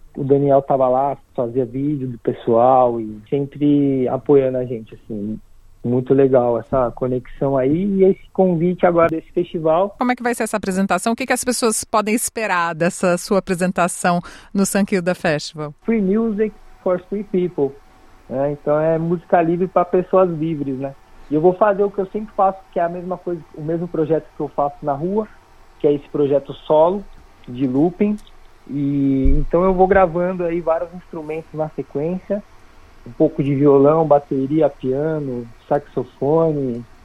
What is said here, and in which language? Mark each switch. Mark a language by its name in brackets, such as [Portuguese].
[Portuguese] O Daniel tava lá, fazia vídeo do pessoal e sempre apoiando a gente, assim. Muito legal essa conexão aí e esse convite agora desse festival. Como é que vai ser essa apresentação? O que as pessoas podem esperar dessa sua apresentação no San Kilda Festival? [English] Free music for free people. [Portuguese] É, então é música livre para pessoas livres, né? E eu vou fazer o que eu sempre faço, que é a mesma coisa, o mesmo projeto que eu faço na rua, que é esse projeto solo de looping. E então eu vou gravando aí vários instrumentos na sequência, um pouco de violão, bateria, piano, saxofone.